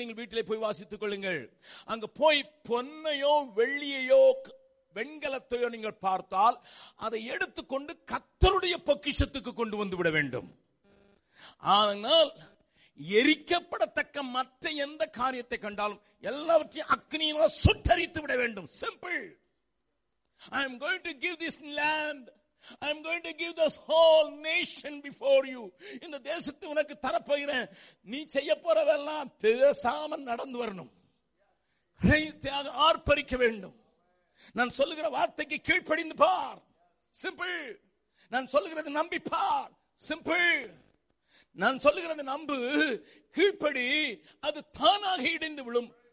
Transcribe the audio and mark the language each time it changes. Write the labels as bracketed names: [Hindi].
[Tamil] நீங்கள் வீட்டிலே போய் வாசித்துக் கொள்ளுங்கள். அங்க போய் பொன்னையோ வெள்ளியையோ வெண்கலத்தையோ நீங்கள் பார்த்தால் அதை எடுத்துக்கொண்டு கர்த்தருடைய பொக்கிஷத்துக்கு கொண்டு வந்து விட வேண்டும். ஆனால் எரிக்கப்படத்தக்க மற்ற எந்த காரியத்தை கண்டாலும் எல்லாவற்றையும் அக்னியினால் சுட்டரித்து விட வேண்டும். [English] Simple. I am going to give this land. I am going to give this whole nation before you. [Tamil] இந்த தேசத்தை உனக்கு தரப்போகிறேன். நீ செய்ய போறவெல்லாம் பேசாம நடந்து வரணும். ஹிருதயத்தை ஆர்ப்பரிக்க வேண்டும். நான் சொல்லுகிற வார்த்தைக்கு கீழ்ப்படிந்து பார். சிம்பிள். நான் சொல்லுகிறது நம்பி பார். சிம்பிள். நான் சொல்லுகிறது நம்பு, கீழ்ப்படி, அது தானாக இடிந்து விழும்.